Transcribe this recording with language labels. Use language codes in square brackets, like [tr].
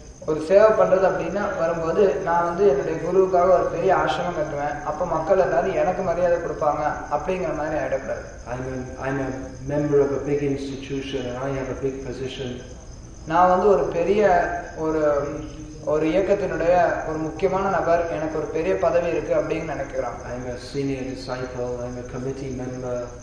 [ta] ஒரு சேவை பண்றது அப்படின்னா வரும்போது நான் வந்து என்னுடைய குருவுக்காக ஒரு பெரிய ஆசிரமம் கட்டுவேன், அப்ப மக்கள் எல்லாரும் எனக்கு மரியாதை கொடுப்பாங்க அப்படிங்கிற மாதிரி ஆயிடக்கூடாது. [en] I'm a member of a big institution and I have a big position. [ta] நான் வந்து ஒரு பெரிய ஒரு ஒரு இயக்கத்தினுடைய ஒரு முக்கியமான நபர், எனக்கு ஒரு பெரிய பதவி இருக்கு அப்படின்னு நினைக்கிறேன். [en] I'm a senior disciple, I'm a committee member.